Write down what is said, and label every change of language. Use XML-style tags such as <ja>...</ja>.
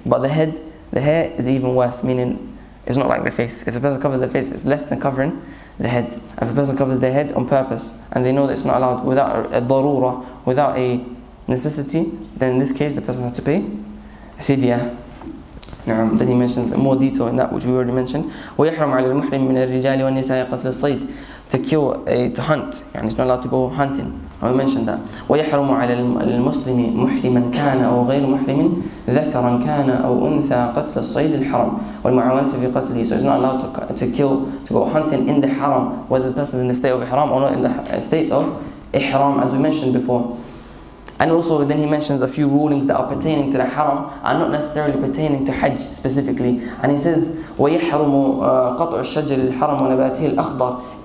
<en>But the head, the hair is even worse, meaning it's not like the face. If a person covers their face, it's less than covering the head. If a person covers their head on purpose and they know that it's not allowed without a darura, without a necessity, then in this case the person has to pay fidya. Then he mentions more detail in that which we already mentioned.</en> <ar>ويحرم على المحرم من الرجال والنساء قتل الصيد.</ar> <en>To kill, to hunt, يعني it's not allowed to go hunting. We mentioned that.</en> <ar>ويحرم على المسلم محرما كان أو غير محرم ذكرا كان أو أنثى قتل الصيد الحرام والمعاونة في قتله.</ar> <en>So it's not allowed to kill, to go hunting in the haram, whether the person is in the state of ihram or not in the state of ihram, as we mentioned before. And also then he mentions a few rulings that are pertaining to the haram and not necessarily pertaining to Hajj specifically. And he says,</en> <ar>وَيَحْرُمُ قَطْعُ الشَّجْرِ الْحَرَمُ وَنَبَاتِهِ الْأَخْضَرِ.</ar>